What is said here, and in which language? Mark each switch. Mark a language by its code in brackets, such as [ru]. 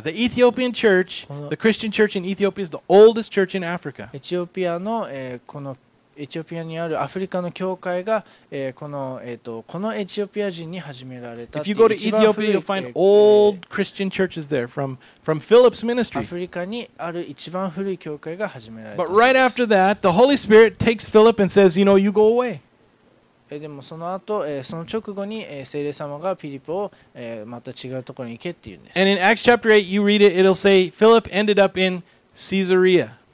[en] The Ethiopian church, the Christian church in Ethiopia is the oldest church in Africa. [ja] エチオピアの、このエチオピアにあるアフリカの教会が、このエチオピア人に始められた。 [en] If you go to Ethiopia, you'll find old Christian churches there from Philip's ministry. [ja] アフリカにある一番古い教会が始められた。 [en] But right after that, the Holy Spirit takes Philip and says, "You know, you go away." [ja] でもその後、その直後に聖霊様がピリポを、また違うところに行けっていうんです。 [en] And in Acts chapter 8, you read it. It'll say Philip ended up in Caesarea.